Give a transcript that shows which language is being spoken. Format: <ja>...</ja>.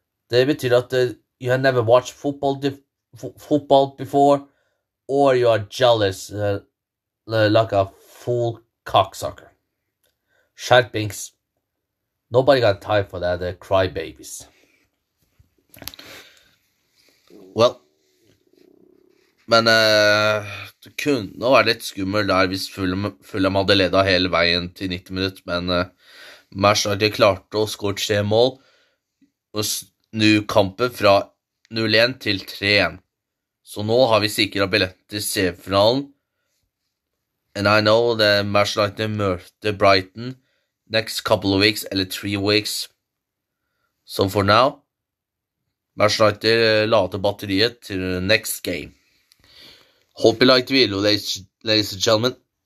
<no>Det betyr at</no> <en>you have never watched football before, or you are jealous like a full cocksucker. Sharpings. Nobody got time for that, crybabies.</en> <no>Well, men det kunne være litt skummel der hvis Fulham hadde ledet hele veien til 90 minutter, men Manchester klarte å score 3 mål og snu kampen fra 0-1 til 3-1. Så nå har vi sikret billett til semifinalen.</no> <en>And I know that Manchester</en> <no>møtte</no> <en>Brighton next couple of weeks,</en> <no>eller</no> <en>3 weeks. So for now, Manchester United</en> <no>lader batteriet til</no> <en>next game. Hope you liked the video, ladies and gentlemen.</en>